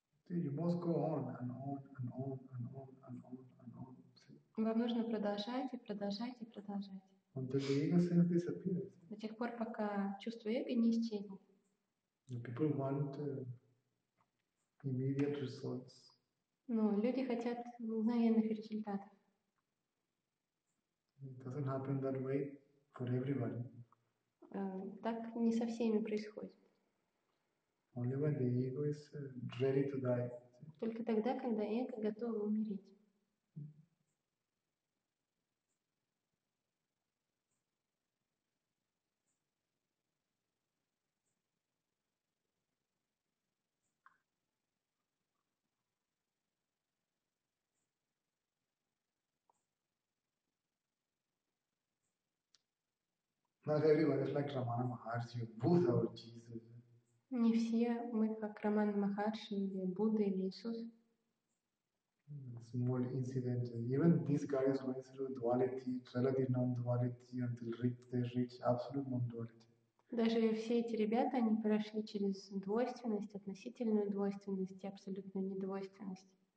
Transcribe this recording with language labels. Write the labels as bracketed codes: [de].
[en] You must go on and on and on and on and on and on. [ru] Вам нужно продолжать и продолжать и продолжать. [en] Until the ego sense disappears. [ru] До тех пор, пока чувство эго не исчезнет. [en] The people want immediate results. [ru] Но люди хотят мгновенных результатов. [en] It doesn't happen that way for everybody. [ru] Так не со всеми происходит. [en] Only when the ego is ready to die. [ru] Только тогда, когда эго готово умереть. [en] Not everyone is like Ramana Maharshi, Buddha or Jesus. [ru] Не все мы как Раман Махарши или Будда или Иисус. [en] Small incident. Even these guys went through duality, relative non-duality, until they reach absolute non-duality. [ru] Даже все эти ребята, они прошли через двойственность, относительную двойственность и абсолютную недвойственность.